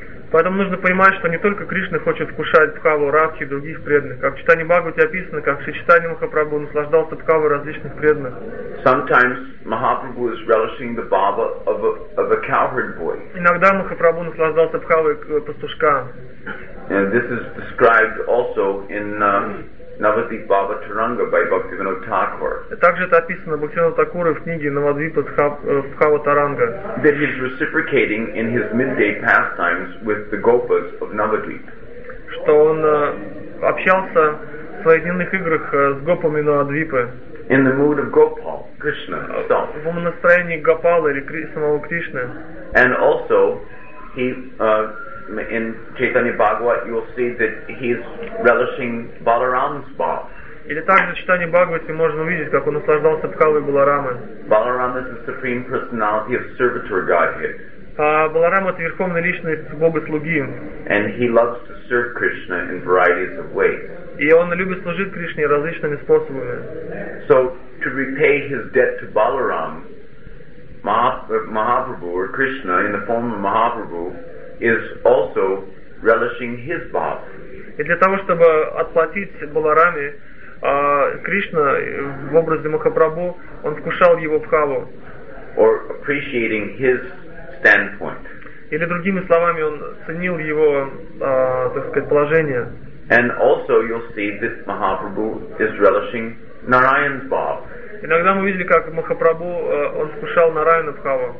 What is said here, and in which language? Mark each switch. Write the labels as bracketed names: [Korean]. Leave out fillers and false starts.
[Russian] Поэтому нужно понимать, что не только Кришна хочет вкушать бхаву Радхи и других преданных. Как в Читании Бхагавате описано, как Шри Чайтанья Махапрабху наслаждался бхавой различных преданных. [English] Sometimes Mahaprabhu is relishing the bhava of a cowherd boy. [Russian] Иногда Махапрабху наслаждался бхавой пастушка. [English] And this is described also in Navadvip Bhavataranga by Bhaktivinoda Thakur. [Russian] Также это описано Бхактивинода Такура в книге Навадвип Бхавотаранга. [English] That he is reciprocating in his midday pastimes with the gopas of Navadvip. [Russian] Что он общался в своих дневных играх с гопами Навадвипа. [English] In the mood of Gopal, Krishna himself. [Russian] В настроении Гопала или самого Кришны. [English] And also, he in Chaitanya Bhagavat, you will see that he is relishing Balaram's bhav. [Russian] Или также в Читании Бхагавате можно увидеть, как он наслаждался бхавой Баларамы. [English] Balaram is the supreme personality of servitor Godhead. [Russian] Баларам это верховная личность Бога слуги. [English] And he loves to serve Krishna in varieties of ways. [Russian] И он любит служить Кришне различными способами. [English] So to repay his debt to Balaram, Mahaprabhu or Krishna in the form of Mahaprabhu is also relishing his bhav. [Russian] И для того, чтобы отплатить Баларами, Кришна в образе Махапрабху, он вкушал его бхаву. [English] Or appreciating his standpoint. [Russian] Или другими словами, он ценил его, так сказать, положение. [English] And also you'll see that Mahaprabhu is relishing Narayan's bhav. [Russian] Иногда мы видели, как Махапрабху, он вкушал Нараяна бхаву.